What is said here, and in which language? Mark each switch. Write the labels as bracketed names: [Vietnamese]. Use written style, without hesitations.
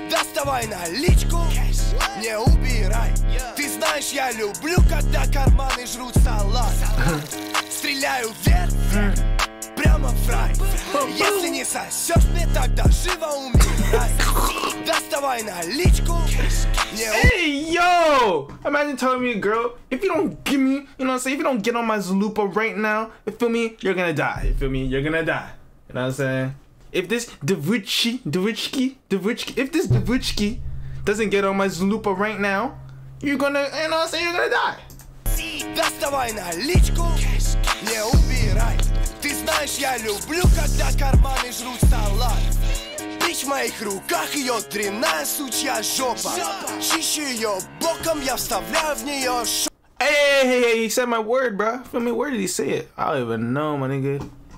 [Russian] Доставай наличку, не убирай. Ты знаешь, я люблю, когда карманы жрут салат. Стреляю вверх, прямо в рай. Если не сосёшь мне, тогда живо умирай. Доставай наличку, не убирай. Эй, йо! [English] Imagine telling me, girl, if you don't give me, you know what I'm saying, if you don't get on my Zalupa right now, you feel me, you're gonna die, you feel me, you're gonna die. You know what I'm saying? If this Davichki doesn't get on my Zalupa right now, you're gonna, you know what I'm saying, you're gonna die. [Russian] Доставай наличку, не убирай. Ты знаешь, я люблю, когда карманы жрут салат. Бич, в моих руках ее дрянная сучья жопа. Чищу ее боком, я вставляю в нее шо. [English] Hey, he said my word, bro. Feel me? Where did he say it? I don't even know, my nigga.